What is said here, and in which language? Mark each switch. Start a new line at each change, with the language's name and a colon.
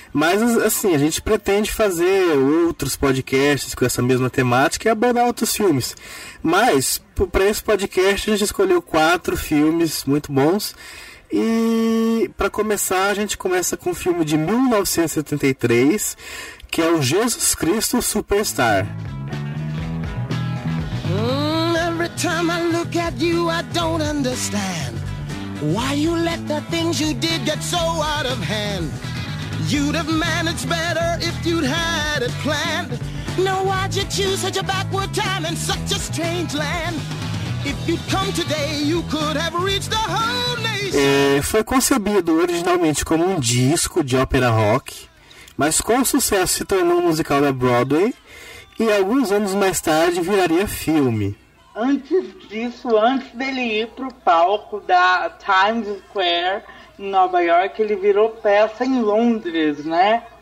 Portuguese: Mas assim, a gente pretende fazer outros podcasts com essa mesma temática e abordar outros filmes. Mas, para esse podcast, a gente escolheu 4 filmes muito bons. E, para começar, a gente começa com um filme de 1973, que é o Jesus Cristo Superstar.
English: Every time I look at you, I don't understand why you let the things you did get so out of hand. You'd have managed better if you'd had it planned. Now why'd you choose such a backward time in such a strange land? If you'd come today, you could have reached the whole nation.
Portuguese: Foi concebido originalmente como um disco de ópera rock, mas com sucesso se tornou um musical da Broadway e alguns anos mais tarde viraria filme. Antes disso, antes dele ir pro palco da Times Square, em Nova York, ele virou peça em Londres, né?